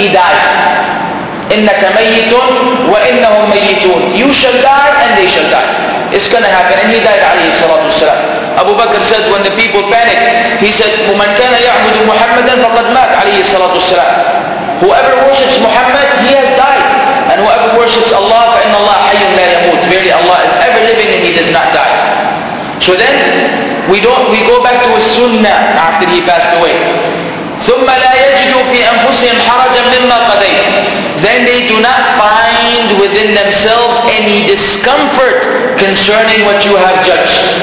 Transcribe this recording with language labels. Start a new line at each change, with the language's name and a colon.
English: He died.
Arabic: إِنَّكَ مَيِّتٌ وَإِنَّهُمْ مَيِّتُونَ.
English: You shall die and they shall die. It's gonna happen. And he died عليه الصلاة والسلام. Abu Bakr said, when the people panicked, he said,
Arabic: وَمَنْ كَانَ يَعْبُدُ مُحَمَّدًا فَقَدْ مَاتَ
English: عليه الصلاة والسلام. Whoever worships Muhammad, he has died. And whoever worships Allah,
Arabic: فَإِنَّ اللَّهَ حَيٌّ لَا يَمُوتُ.
English: Verily Allah is ever living and he does not die. So then, we go back to his sunnah after he passed away.
Arabic: ثُمَّ لَا يَجِدُوا فِي أَنفُسِهِمْ حَرَجًا مِمَّا قَدَيْتُ.
English: Then they do not find within themselves any discomfort concerning what you have judged.